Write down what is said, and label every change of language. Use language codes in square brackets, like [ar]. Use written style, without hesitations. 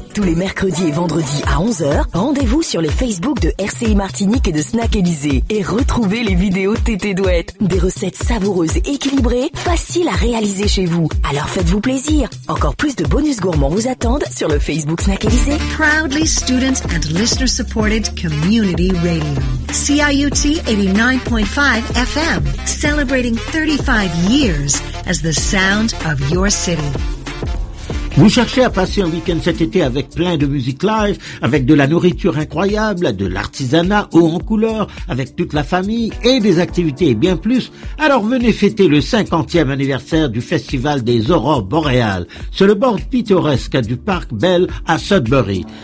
[fr] Tous les mercredis et vendredis à 11h, rendez-vous sur les Facebook de RCI Martinique et de Snack Élysée et retrouvez les vidéos TT Douette. Des recettes savoureuses et équilibrées, faciles à réaliser chez vous. Alors faites-vous plaisir. Encore plus de bonus gourmands vous attendent sur le Facebook Snack Élysée. [en] Proudly student and listener supported community radio. CIUT 89.5 FM, celebrating 35 years as the sound of your city. [fr] Vous cherchez à passer un week-end cet été avec plein de musique live, avec de la nourriture incroyable, de l'artisanat haut en couleur, avec toute la famille et des activités et bien plus? Alors venez fêter le 50e anniversaire du Festival des Aurores Boréales sur le bord pittoresque du Parc Bell à Sudbury.